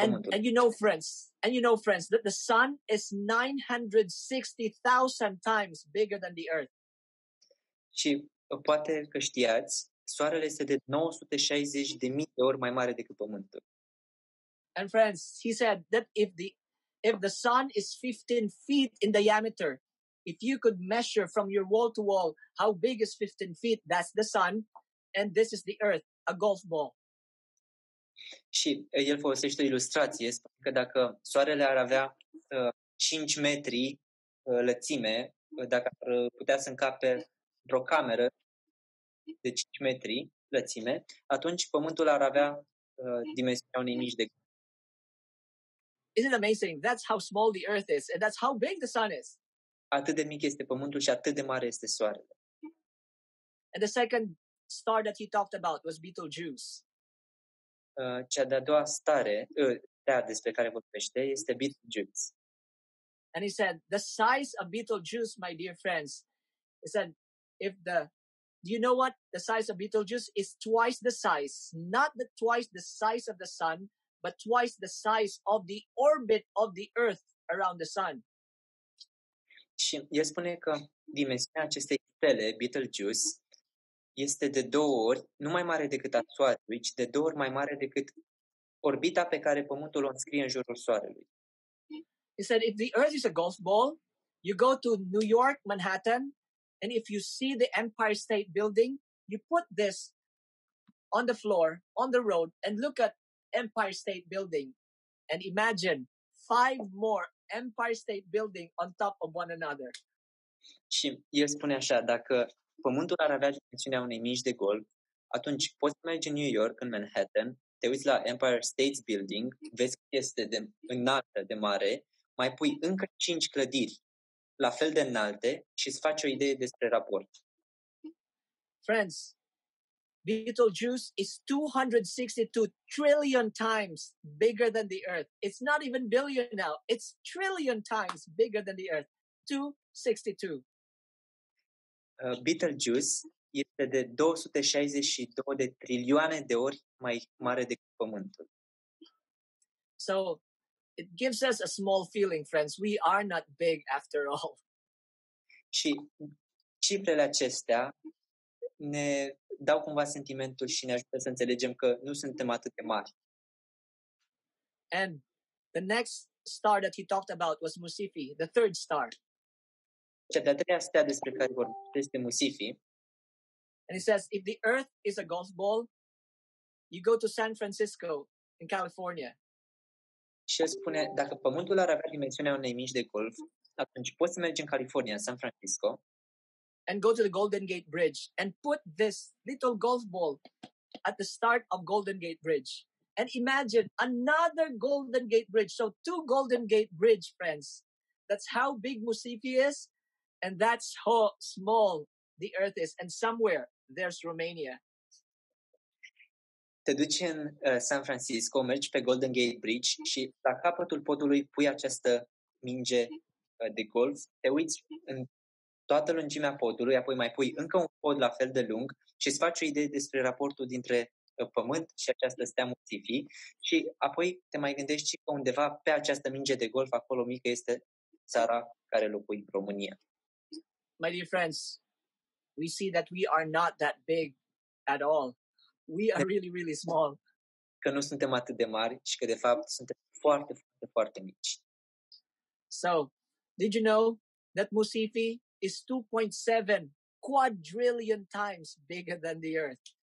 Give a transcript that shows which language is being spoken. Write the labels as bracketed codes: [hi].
[en] And you know friends that the sun is 960,000 times bigger than the earth. [ro] Și poate că știați, soarele este de 960,000 de ori mai mare decât pământul. [en] And friends, he said that if the sun is 15 feet in diameter, if you could measure from your wall to wall how big is 15 feet, that's the sun, and this is the earth, a golf ball. [ro] Și el folosește o ilustrație, spune că dacă soarele ar avea 5 metri lățime, dacă ar putea să încape într-o cameră de 5 metri lățime, atunci pământul ar avea dimensiunea unei mici de. [en] Isn't it amazing? That's how small the earth is and that's how big the sun is. [ro] Atât de mic este pământul și atât de mare este soarele. [en] And the second star that he talked about was Betelgeuse. [ro] Cea de-a doua stare, stea despre care vorbește, este Betelgeuse. [en] And he said, the size of Betelgeuse, my dear friends, he said, do you know what? The size of Betelgeuse is twice the size, not the twice the size of the sun, but twice the size of the orbit of the earth around the sun. [ro] Și el spune că dimensiunea acestei stele, Betelgeuse, este de două ori, nu mai mare decât a Soarelui, ci de două ori mai mare decât orbita pe care Pământul o înscrie în jurul Soarelui. [en] He said, if the Earth is a golf ball, you go to New York, Manhattan, and if you see the Empire State Building, you put this on the floor, on the road, and look at Empire State Building, and imagine five more Empire State Building on top of one another. [ro] Și el spune așa, dacă Pământul ar avea dimensiunea unei mici de golf, atunci poți merge în New York, în Manhattan, te uiți la Empire State Building, vezi că este de înaltă, de mare, mai pui încă 5 clădiri la fel de înalte și îți faci o idee despre raport. [en] Friends, Betelgeuse is 262 trillion times bigger than the Earth. It's not even billion now. It's trillion times bigger than the Earth. 262. [ro] Betelgeuse este de 262 de trilioane de ori mai mare decât Pământul. [en] So, it gives us a small feeling, friends. We are not big after all. [ro] Și cifrele acestea ne dau cumva sentimentul și ne ajută să înțelegem că nu suntem atât de mari. [en] And the next star that he talked about was Musifi, the third star. [ro] Cea de-a treia stea despre care vorbește este Musifi. [en] And he says, if the earth is a golf ball, you go to San Francisco in California. [ro] Și el spune, dacă pământul ar avea dimensiunea unei mici de golf, atunci poți să mergi în California, San Francisco. [en] And go to the Golden Gate Bridge and put this little golf ball at the start of Golden Gate Bridge. And imagine another Golden Gate Bridge. So two Golden Gate Bridge, friends. That's how big Musifi is. And that's how small the earth is. And somewhere, there's Romania. [ro] Te duci în San Francisco, mergi pe Golden Gate Bridge și la capătul podului pui această minge de golf. Te uiți în toată lungimea podului, apoi mai pui încă un pod la fel de lung și îți faci o idee despre raportul dintre pământ și această stea Musifi. Și apoi te mai gândești și că undeva pe această minge de golf, acolo mică, este țara care locui, România. [en] My dear friends, we see that we are not that big at all. We are really, really small. [ro] Că nu suntem atât de mari și că de fapt suntem foarte, foarte, foarte mici. [en] So, did you know that Musifi is 2.7 quadrillion times bigger than the Earth?